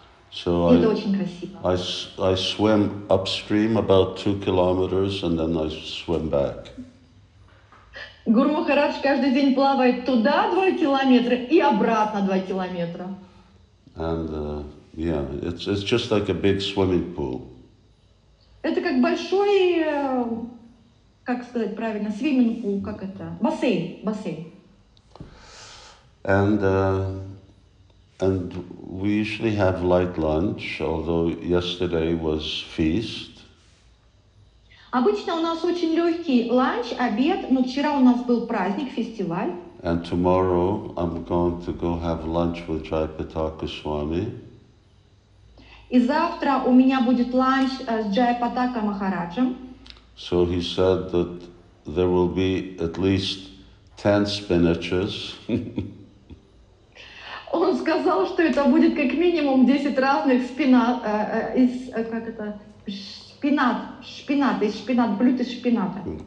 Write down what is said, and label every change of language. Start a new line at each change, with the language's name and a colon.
English: So I swim upstream about 2 kilometers and then I swim back.
Russian: Гуру Махарадж каждый день плавает туда 2 километра и обратно 2 километра.
English: And it's just like a big swimming pool.
Russian: Это как большой, как сказать правильно,
English: swimming pool,
Russian: как это? Бассейн.
English: And we usually have light lunch, although yesterday was feast.
Russian: Обычно у нас очень легкий ланч, обед, но вчера у нас был праздник, фестиваль.
English: And tomorrow I'm going to go have lunch with Jai Pataka Swami.
Russian: И завтра у меня будет ланч с Джай Патака Махараджем.
English: So he said that there will be at least 10 spinaches.
Russian: Он сказал, что это будет как минимум 10 разных спинат, блюд из шпината.